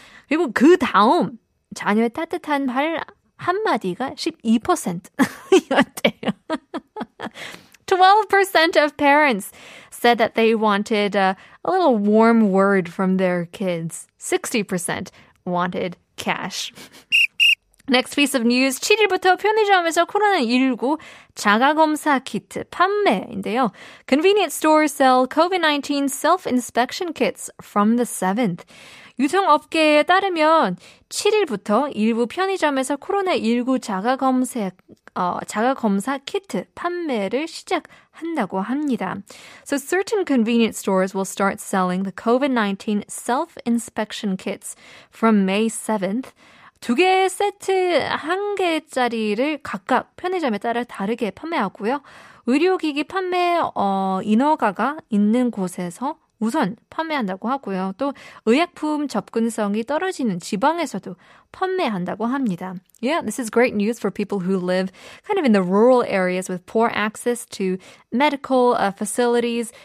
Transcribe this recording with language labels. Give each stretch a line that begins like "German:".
Korean: 그리고 그 다음 자녀의 따뜻한 발 한마디가 12%였대요.
English: 12% of parents said that they wanted a little warm word from their kids. 60% wanted cash. Next piece of news.
Korean: 7일부터 편의점에서 코로나19 자가검사 키트 판매인데요.
English: Convenience stores sell COVID-19 self-inspection kits from the 7th.
Korean: 유통업계에 따르면 7일부터 일부 편의점에서 코로나19 자가검사 키트 판매를 시작한다고 합니다.
English: So certain convenience stores will start selling the COVID-19 self-inspection kits from May 7th.
Korean: 두 개의 세트 한 개짜리를 각각 편의점에 따라 다르게 판매하고요. 의료기기 판매 인허가가 있는 곳에서 우선 판매한다고 하고요. 또 의약품 접근성이 떨어지는 지방에서도 판매한다고 합니다.
English: Yeah, this is great news for people who live kind of in the rural areas with poor access to medical facilities.